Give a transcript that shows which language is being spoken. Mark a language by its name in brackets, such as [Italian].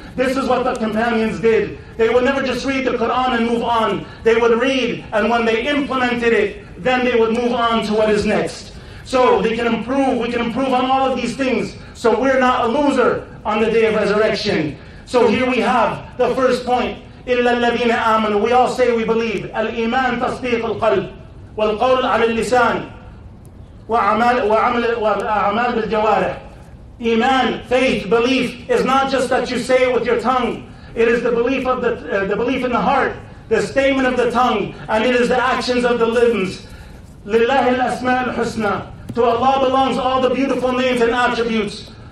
[English] This is what the companions did. They would never just read the Quran and move on. They would read, and when they implemented it, then they would move on to what is next. So they can improve. We can improve on all of these things, so we're not a loser on the day of resurrection. So here we have the first point. [Arabic] إِلَّا الَّذِينَ آمَنُوا. [English] We all say we believe. [Arabic] الإيمان تصديق القلب والقول على اللسان وعمل بالجوارح. [English] Iman, faith, belief, is not just that you say it with your tongue. It is the belief of the belief in the heart, the statement of the tongue, and it is the actions of the limbs. [Arabic] لِلَّهِ الْأَسْمَاءُ الْحُسْنَى. [English] To Allah belongs all the beautiful names and attributes.